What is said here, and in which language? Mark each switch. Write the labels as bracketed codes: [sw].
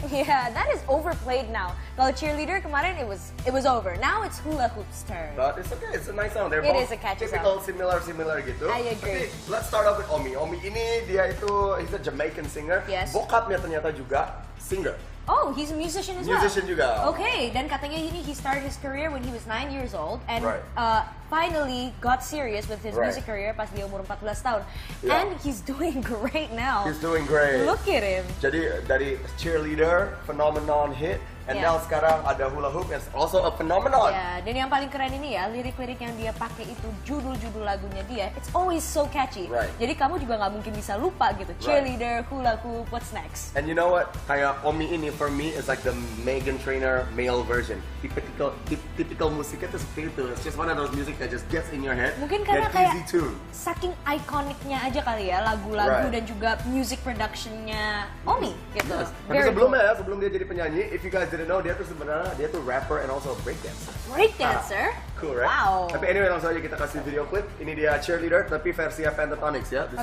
[en] Yeah, that is overplayed now. [id] Kalau Cheerleader kemarin [en] it was over. Now it's Hula Hoop's turn. But it's okay, it's a nice song. They're it is a catchy typical, song. Typical, similar gitu. I agree. Okay, let's start off with Omi. [id] Omi ini dia itu, [en] he's a Jamaican singer. Yes. [id] Bokapnya ternyata juga singer. [en] Oh, he's a musician as well. [id] Musician juga. [en] Okay, [id] dan katanya ini [en] he started his career when he was 9 years old and right. Finally got serious with his right. music career [id] pas dia umur 14 tahun. [en] Yeah. And he's doing great now. He's doing great. Look at him. [id] Jadi dari [en] Cheerleader, phenomenon hit, and yeah. now [id] sekarang ada [en] Hula Hoop yang also a phenomenon. [id] Yeah. Dan yang paling keren ini ya, lirik-lirik yang dia pakai itu judul-judul lagunya dia, [en] it's always so catchy. Right. [id] Jadi kamu juga gak mungkin bisa lupa gitu, Cheerleader, right. [en] Hula Hoop, what's next? And you know what, [id] kayak Omi ini [en] for me is like the Meghan Trainor male version. Typical [id] musiknya itu seperti itu, [en] it's just one of those music that just gets in your head. [id] Mungkin karena kayak saking ikoniknya aja kali ya, lagu-lagu right. dan juga music production-nya Omi gitu. Yes. Tapi sebelum dia jadi penyanyi, [en] if you guys didn't know, [id] dia tuh sebenarnya dia tuh rapper [en] and also a breakdancer. Cool, right? Wow. [id] Tapi anyway, langsung aja kita kasih video clip. Ini dia Cheerleader, tapi versi Pentatonix ya. This